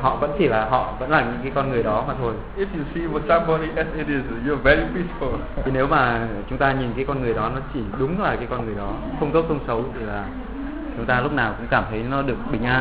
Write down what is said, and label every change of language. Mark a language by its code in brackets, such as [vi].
[vi] Họ vẫn chỉ là họ vẫn là những cái con người đó mà thôi. [en] If you see somebody as it is, you're very peaceful. [vi] Thì nếu mà chúng ta nhìn cái con người đó nó chỉ đúng là cái con người đó, không tốt, không xấu, thì là chúng ta lúc nào cũng cảm thấy nó được bình an.